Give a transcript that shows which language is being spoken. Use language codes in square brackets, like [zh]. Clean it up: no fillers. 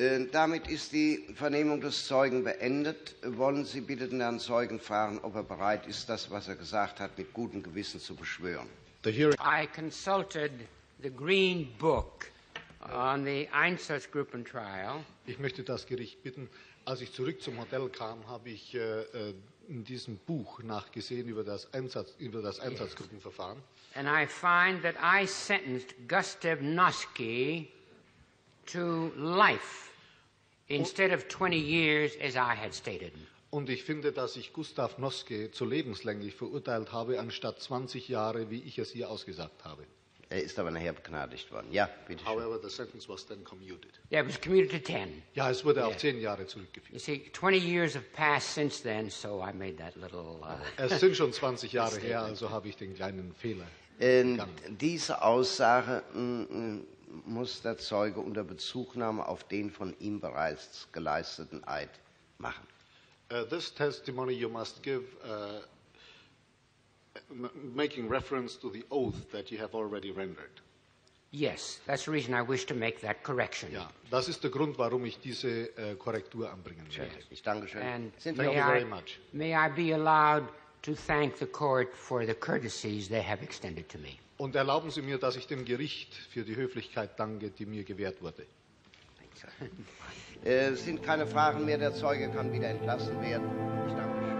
[de] Damit ist die Vernehmung des Zeugen beendet. Wollen Sie bitte den Herrn Zeugen fragen, ob er bereit ist, das, was er gesagt hat, mit gutem Gewissen zu beschwören? [en] I consulted the green book on the Einsatzgruppen trial. [de] Ich möchte das Gericht bitten, Als ich zurück zum Hotel kam, habe ich in diesem Buch nachgesehen über das Einsatzgruppenverfahren. [en] And I find that I sentenced Gustav Noske to life instead of 20 years as I had stated. [de] Und ich finde, dass ich Gustav Noske zu lebenslänglich verurteilt habe, anstatt 20 Jahre, wie ich es hier ausgesagt habe. Er ist aber nachher begnadigt worden. Ja, bitte schön. [en] However, the sentence was then commuted. Yeah, it was commuted to 10. [de] Ja, es wurde auf 10 Jahre zurückgeführt. [en] You see, 20 years have passed since then, so I made that little... [de] Es sind schon 20 Jahre her, also habe ich den kleinen Fehler. Diese Aussage muss der Zeuge unter Bezugnahme auf den von ihm bereits geleisteten Eid machen. [en] This testimony you must give, making reference to the oath that you have already rendered. Yes, that's the reason I wish to make that correction. [de] Ja, das ist der Grund, warum ich diese Korrektur anbringen möchte. Ich danke schön. [en] And may I be allowed to thank the court for the courtesies they have extended to me. [de] Und erlauben Sie mir, dass ich dem Gericht für die Höflichkeit danke, die mir gewährt wurde. Es sind keine Fragen mehr, der Zeuge kann wieder entlassen werden. Ich danke.